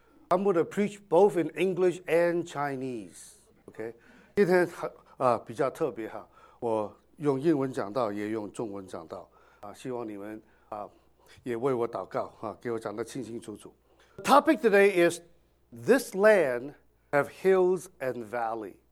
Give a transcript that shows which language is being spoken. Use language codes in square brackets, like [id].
[en] I'm going to preach both in English and Chinese. [zh] Okay, 今天比较特别哈，我用英文讲道，也用中文讲道啊，希望你们啊也为我祷告啊，给我讲得清清楚楚。 [en] Topic today is this land have hills and valley.